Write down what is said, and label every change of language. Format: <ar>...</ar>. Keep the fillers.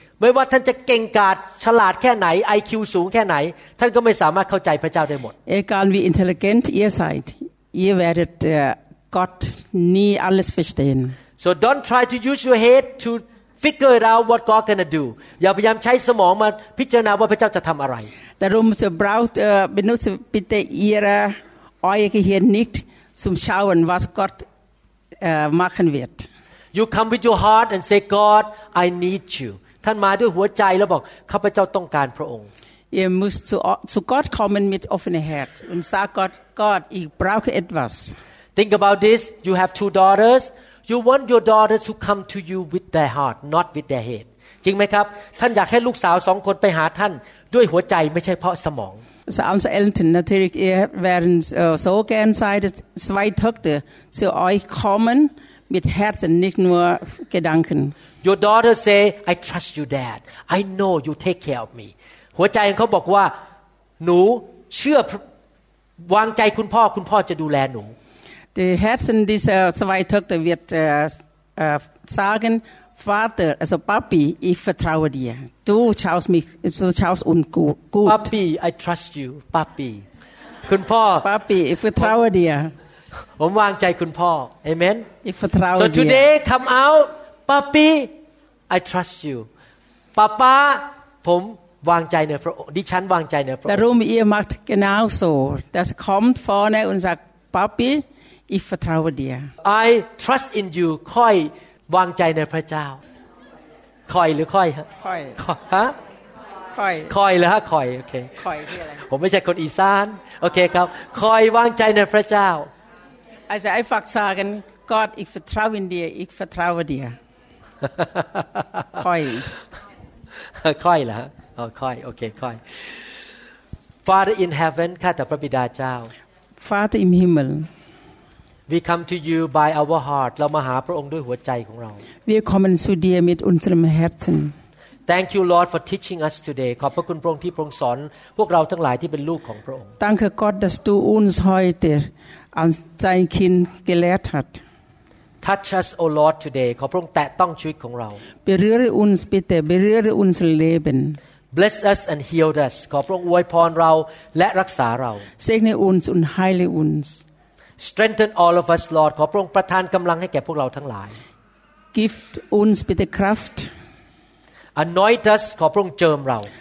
<th>ไม่ว่าท่านจะเก่งกาจฉลาดแค่ไหน IQ สูงแค่ไหน ท่านก็ไม่สามารถเข้าใจพระเจ้าได้หมด</th> <de>Egal wie intelligent ihr seid, ihr werdet äh, Gott nie alles verstehen.</de> <en>so don't try to use your head to figure it out what God gonna do</en> <th>อย่าพยายามใช้สมองมาพิจารณาว่าพระเจ้าจะทำอะไร</th> <de>Darum so braucht, äh, benutzt bitte ihre, euer Gehirn nicht zum Schauen, was Gott äh, machen wird.</de> <en>you come with your heart and say God I need you</en> <th>ท่านมาด้วยหัวใจแล้วบอกข้าพเจ้าต้องการพระองค์</th> <de>Ihr müsst zu, zu Gott kommen mit offenem Herz und sagt Gott, Gott, ich brauche etwas.</de> <en>Think about this. You have two daughters. You want your daughters to come to you with their heart, not with their head.</en> <th>จริงไหมครับ ท่านอยากให้ลูกสาวสองคนไปหาท่าน ด้วยหัวใจไม่ใช่เพราะสมอง</th> <de>Also unsere Eltern natürlich, ihr wären äh, so gern seid, dass zwei Töchter zu euch kommen mit Herzen, nicht nur Gedanken.</de> <en>Your daughter say I trust you dad I know you take care of me</en> <th>หัวใจของเขาบอกว่า หนูเชื่อพระวางใจคุณพ่อ คุณพ่อจะดูแลหนู</th> <de>Die Herzen dieser zwei Töchter wird äh, äh, sagen, Vater, also Papi, ich vertraue dir. Du schaust mich, du schaust uns gu- gut.</de> <th>ป้าปี</th> <en>I trust you</en> <th>ป้าปี คุณพ่อ</th> <de>Papi, ich vertraue dir.</de> <th>ผมวางใจคุณพ่อเอเมน</th> <de>Ich vertraue So dir.</de> <en>today come out, Papi, I trust you.</en> <th>Papa, ผมวางใจในพระองค์ดิฉันวางใจในพระองค์</th> <de>Darum, ihr macht genauso. Das kommt vorne und sagt, Papi, ich vertraue dir.</de> <en>I trust in you</en> <th>ค่อยวางใจในพระเจ้า ค่อยหรือค่อยฮะ Koi, ค่อยฮะ koi, ค่อยเหรอฮะค่อยโอเค koi. ผมไม่ใช่คนอีสาน โอเคครับ ค่อยวางใจในพระเจ้า</th> <de>Also einfach sagen, Gott, ich vertraue in dir, ich vertraue dir. Koi.</de> <th>ค่อยเหรอฮะอ๋อค่อย โอเค ค่อย</th> <en>Father in heaven</en> <th>ข้าแต่พระบิดาเจ้า</th> <de>Vater im Himmel.</de> <en>we come to you by our heart</en> <th>เรามาหาพระองค์ด้วยหัวใจของเรา</th> <de>Wir kommen zu dir mit unserem Herzen.</de> <en>Thank you Lord for teaching us today</en> <th>ขอบพระคุณพระองค์ที่พระองค์สอนพวกเราทั้งหลายที่เป็นลูกของพระองค์</th> <de>Danke Gott, dass du uns heute als dein Kind gelehrt hast.</de> <en>Touch us O Lord today</en> <th>ขอพระองค์แตะต้องชีวิตของเรา</th> <de>Berühre uns bitte, berühre unser Leben.</de> <en>Bless us and heal us</en> <th>ขอพระองค์อวยพรเราและรักษาเรา</th> <de>Segne uns und heile uns.</de> <en>Strengthen all of us Lord</en> <th>ขอพระองค์ประทานกำลังให้แก่พวกเราทั้งหลาย</th> <de>Gib uns bitte Kraft.</de> <en>Anoint us</en> <th>ขอพระองค์เจิมเรา</th>